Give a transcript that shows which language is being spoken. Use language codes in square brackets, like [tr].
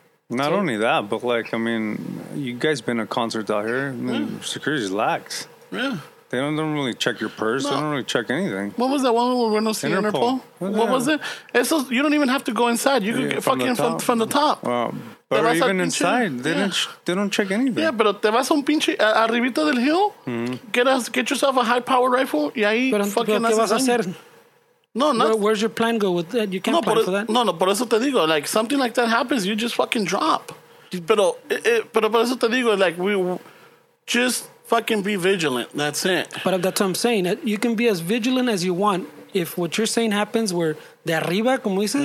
[en] Not so, only that, but like, I mean, you guys been to concerts out here. I mean, yeah. Security's lax. Yeah. They don't really check your purse. No. They don't really check anything. What was that one with Renault Interpol? Interpol? What was it? It's so, you don't even have to go inside. You can get fucking from the top. But even inside, they don't check anything. [es] Yeah, pero te vas a un pinche arribito del hill, [en] get yourself a high power rifle, [es] y ahí pero, fucking pero, ¿qué vas a hacer? No, no. [en] Where's your plan go with that? You can't plan for that. No, no, [es] por eso te digo, [en] like, something like that happens, you just fucking drop. [es] Pero por eso te digo, [en] like, we just fucking be vigilant. That's it. But that's what I'm saying. You can be as vigilant as you want. If what you're saying happens where [es] de arriba, como dices,